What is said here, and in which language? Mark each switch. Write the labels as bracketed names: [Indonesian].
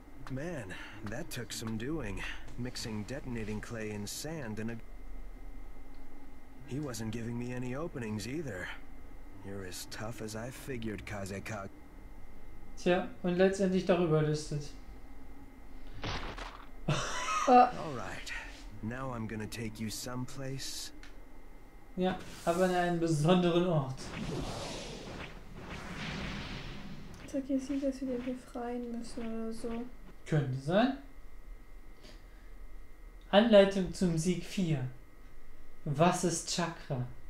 [English] Man, that took some doing. Mixing detonating clay in sand in a. He wasn't giving me any openings either. You're as tough as I figured, Kazekage. [German] Tja, und letztendlich darüber listet. Alright, now I'm gonna take you someplace. Ja, aber an einen besonderen Ort. Sag jetzt nicht, dass wir den befreien müssen oder so. Könnte sein. Anleitung zum Sieg 4. Was ist Chakra?